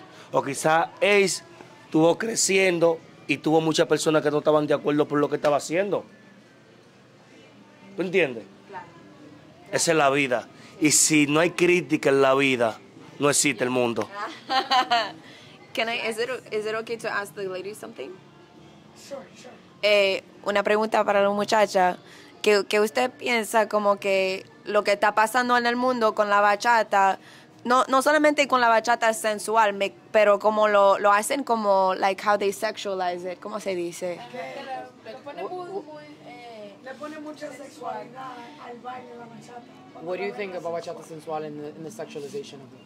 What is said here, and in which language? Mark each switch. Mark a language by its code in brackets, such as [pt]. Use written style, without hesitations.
[es] O quizá Ace estuvo creciendo y tuvo muchas personas que no estaban de acuerdo por lo que estaba haciendo. ¿Tú entiendes? Claro. Esa es la vida. Y si no hay crítica en la vida, no existe el mundo. [en] Is it okay to ask the lady something? Sure. [es] Una pregunta para la muchacha. ¿Qué usted piensa como que lo que está pasando en el mundo con la bachata? No solamente con la bachata sensual, pero como lo hacen como, [en] like, how they sexualize it. [es] ¿Cómo se dice? Le pone mucha sexualidad al baile de la bachata. [en] What do you think about bachata sensual and the sexualization of it?